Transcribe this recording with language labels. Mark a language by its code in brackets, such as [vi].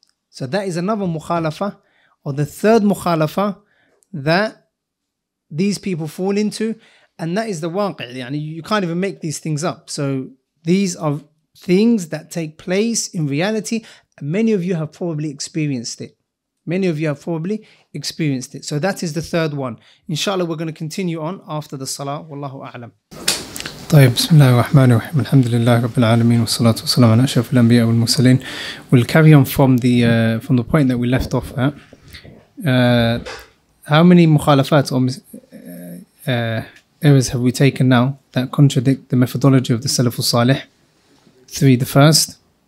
[en] So that is another mukhalafa, or the third mukhalafa that these people fall into, and that is the waqi'. Yani you can't even make these things up. So these are things that take place in reality. Many of you have probably experienced it. Many of you have probably experienced it. So that is the third one. Inshallah, we're going to continue on after the salah. Wallahu a'lam. [ar] طيب بسم الله الرحمن الرحيم الحمد لله رب العالمين والصلاة والسلام على أشرف الأنبياء والمرسلين. [en] We'll carry on from the point that we left off at. How many مخالفات or errors have we taken now that contradict the methodology of the Salaf al-Salih? Three, the first.